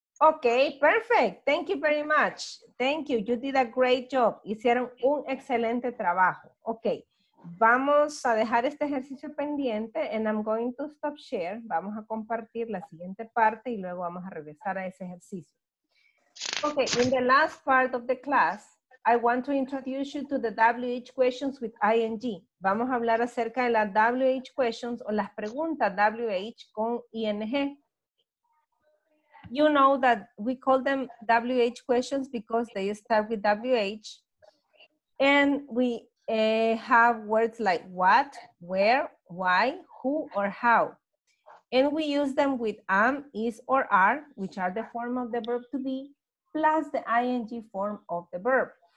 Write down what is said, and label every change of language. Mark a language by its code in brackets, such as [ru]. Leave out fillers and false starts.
[en] Ok, perfect. Thank you very much. Thank you. You did a great job. [es] Hicieron un excelente trabajo. Ok, vamos a dejar este ejercicio pendiente [en] and I'm going to stop share. [es] Vamos a compartir la siguiente parte y luego vamos a regresar a ese ejercicio. [en] Okay, in the last part of the class, I want to introduce you to the WH questions with ING. [es] Vamos a hablar acerca de las WH questions o las preguntas WH con ING. [en] You know that we call them WH questions because they start with WH. And we have words like what, where, why, who, or how. And we use them with am, is, or are, which are the form of the verb to be, plus the ing form of the verb.